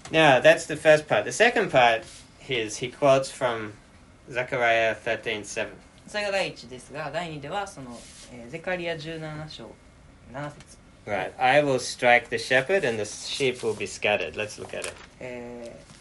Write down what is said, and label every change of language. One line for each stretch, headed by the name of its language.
English: Now that's the first part. The second part is he quotes from Zechariah 13:7.
Japanese: それが第一ですが、第二ではその、ゼカリア17章7節。
English: Right. I will strike the shepherd and the sheep will be scattered. Let's look at it.